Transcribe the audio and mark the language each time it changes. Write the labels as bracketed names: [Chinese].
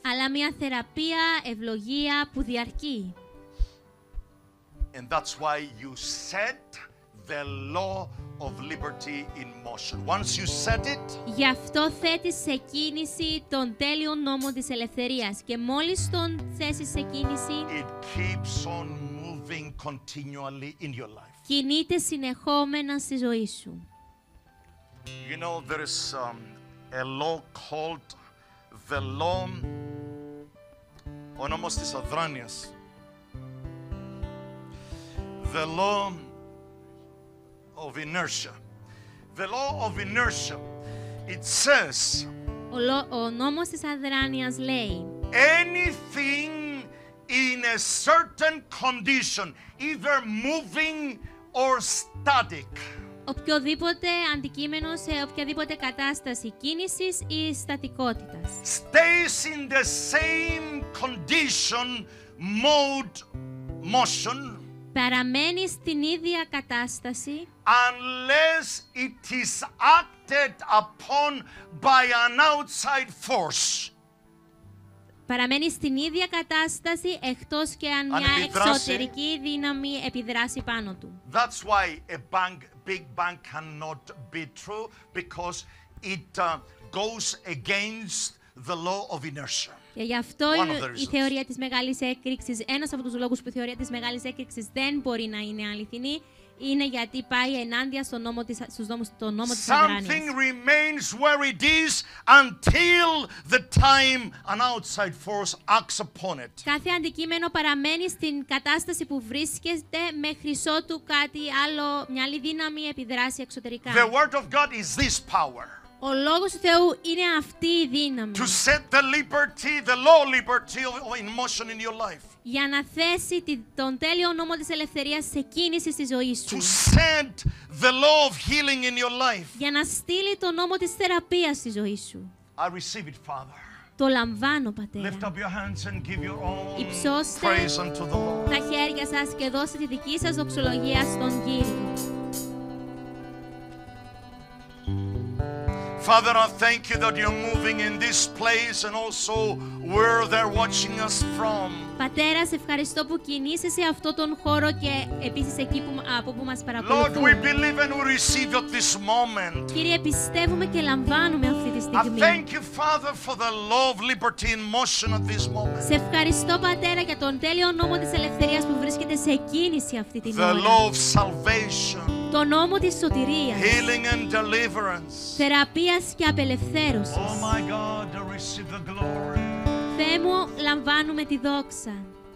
[Greek] Αλλά μια θεραπεία, ευλογία που διαρκεί. [English] And that's why you set the law of liberty in motion. Once you set it, [Greek] γι' αυτό θέτεις σε κίνηση τον τέλειο νόμο της ελευθερίας και μόλις τον θέσεις σε κίνηση, [English] it keeps on moving continually in your life. [Greek] Κινείται συνεχόμενα στη ζωή σου. [English] You know there is a law called the law [Greek] ο νόμος της αδράνειας. [English] The law of inertia. The law of inertia. It says [Greek] ο νόμος της αδράνειας λέει [English] anything in a certain condition either moving or static. [Greek] Οποιοδήποτε αντικείμενο σε οποιαδήποτε κατάσταση κίνησης ή στατικότητας. [English] Stays in the same condition, mode, motion. [Greek] Παραμένει στην ίδια κατάσταση. [English] Unless it is acted upon by an outside force. [Greek] Παραμένει στην ίδια κατάσταση εκτός και αν μια εξωτερική δύναμη επιδράσει πάνω του. [English] That's why a bank Big bang cannot be true because it goes against the law of inertia. [Greek] Και γι' αυτό η θεωρία της μεγάλης έκρηξης, ένας από τους λόγους που η θεωρία της μεγάλης έκρηξης δεν μπορεί να είναι αληθινή, είναι γιατί πάει ενάντια στον νόμο της, στον νόμο της αδράνειας. [English] Something remains where it is until the time an outside force acts upon it. [Greek] Κάθε αντικείμενο παραμένει στην κατάσταση που βρίσκεται μέχρι ότου κάτι άλλο, μια άλλη δύναμη επιδράσει εξωτερικά. [English] The word of God is this power. [Greek] Ο λόγος του Θεού είναι αυτή η δύναμη. [English] To set the liberty, the law liberty in motion in your life. [Greek] Για να θέσει τον τέλειο νόμο της ελευθερίας σε κίνηση στη ζωή σου. [English] To set the law of healing in your life. [Greek] Για να στείλει τον νόμο της θεραπείας στη ζωή σου. [English] I receive it, Father. [Greek] Το λαμβάνω, Πατέρα. [English] Lift up your hands and give your own [Greek] Υψώστε [English] praise unto the Lord. [Greek] Τα χέρια σας και δώστε τη δική σας δοξολογία στον Κύριο. [English] Father, I thank you that you're moving in this place and also where they're watching us from. [Greek] Πατέρα, σε ευχαριστώ που κινείσαι σε αυτό τον χώρο και επίσης εκεί που, από που μας παρακολουθούν. [English] Lord, we believe and we receive at this moment. [Greek] Κύριε, πιστεύουμε και λαμβάνουμε αυτή τη στιγμή. [English] I thank you, Father, for the law of liberty in motion at this moment. [Greek] Σε ευχαριστώ, Πατέρα, για τον τέλειο νόμο της ελευθερίας που βρίσκεται σε κίνηση αυτή τη [English] The law of salvation. [Greek] Το νόμο της σωτηρίας. [English] Healing and deliverance. [Greek] Θεραπείας και απελευθέρωσης. [English] Oh my God, I receive the glory. [Greek] Θεέ μου, λαμβάνουμε τη δόξα.